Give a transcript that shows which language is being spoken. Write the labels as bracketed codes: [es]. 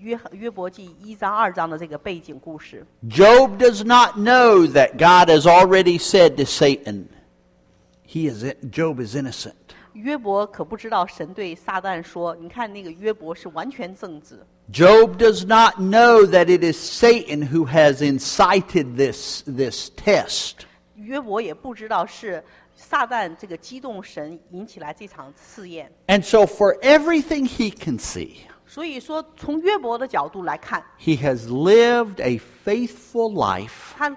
[zh] 约伯记一章二章的这个背景故事。 [en] Job does not know that God has already said to Satan, Job is innocent. [zh] 约伯可不知道神对撒旦说，你看那个约伯是完全正直。 [en] Job does not know that it is Satan who has incited this test. [zh] 约伯也不知道是撒旦这个激动神引起来这场试验。 [en] And so for everything he can see, [zh] 所以说从约伯的角度来看, [en] he has lived a faithful life.